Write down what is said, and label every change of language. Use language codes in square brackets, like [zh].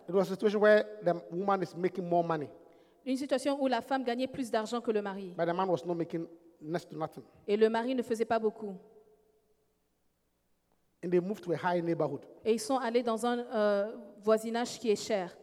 [en] It was a situation where the woman is making more money. [fr] Une situation où la femme gagnait plus d'argent que le mari. [en] But the man was not making next to nothing. [fr] Et le mari ne faisait pas beaucoup. [en] And they moved to a high neighborhood. [fr] Et ils sont allés dans un voisinage qui est cher.